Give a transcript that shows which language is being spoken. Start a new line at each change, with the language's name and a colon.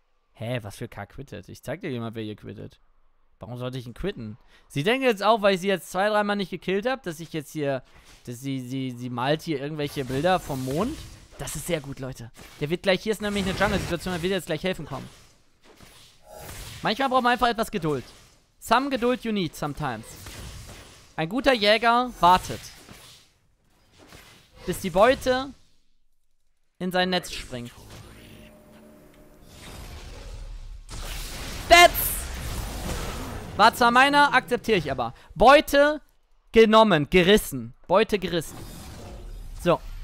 German: Hä, was für Car quittet? Ich zeig dir jemand, wer hier quittet. Warum sollte ich ihn quitten? Sie denken jetzt auch, weil ich sie jetzt zwei, dreimal nicht gekillt habe, dass ich jetzt hier, dass sie malt hier irgendwelche Bilder vom Mond. Das ist sehr gut, Leute. Der wird gleich, hier ist nämlich eine Jungle-Situation, der wird jetzt gleich helfen kommen. Manchmal braucht man einfach etwas Geduld.
English: Some Geduld you need sometimes.
German: Ein guter Jäger wartet, bis die Beute in sein Netz springt. Netz! War zwar meiner, akzeptiere ich aber. Beute genommen, gerissen. Beute gerissen. So.